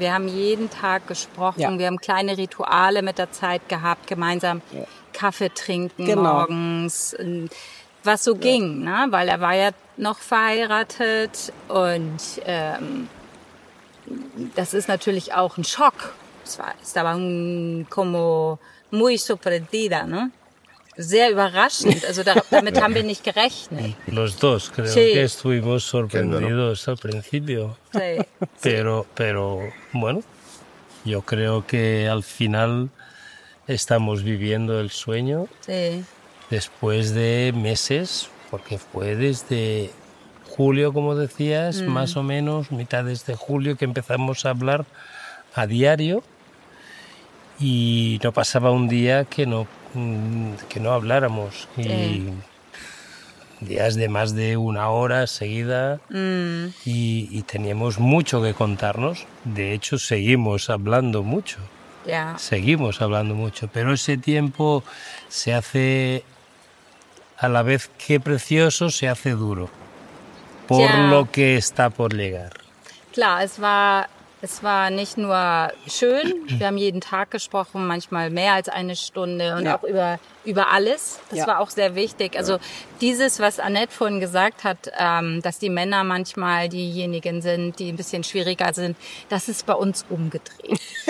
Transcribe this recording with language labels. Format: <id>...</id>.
<de>Wir haben jeden Tag gesprochen, wir haben kleine Rituale mit der Zeit gehabt, gemeinsam Kaffee trinken morgens, was so ging, ne? Weil er war ja noch verheiratet und das ist natürlich auch ein Schock. Es war</de> <es>como muy sorprendida, ne?</es> <de>Sehr überraschend, also damit haben wir nicht gerechnet.</de> <es>Los dos, creo que estuvimos sorprendidos al principio. Sí. Pero bueno, yo creo que al final estamos viviendo el sueño. Sí. Después de meses, porque fue desde julio, como decías, más o menos, mitad de julio, que empezamos a hablar a diario y no pasaba un día que no habláramos. Y días de más de una hora seguida y teníamos mucho que contarnos. De hecho, seguimos hablando mucho. Seguimos hablando mucho, pero ese tiempo se hace, a la vez que precioso, se hace duro por lo que está por llegar.</es> <de>Klar, es war nicht nur schön, wir haben jeden Tag gesprochen, manchmal mehr als eine Stunde und auch über alles. Das war auch sehr wichtig. Also dieses, was Annette vorhin gesagt hat, dass die Männer manchmal diejenigen sind, die ein bisschen schwieriger sind, das ist bei uns umgedreht.</de>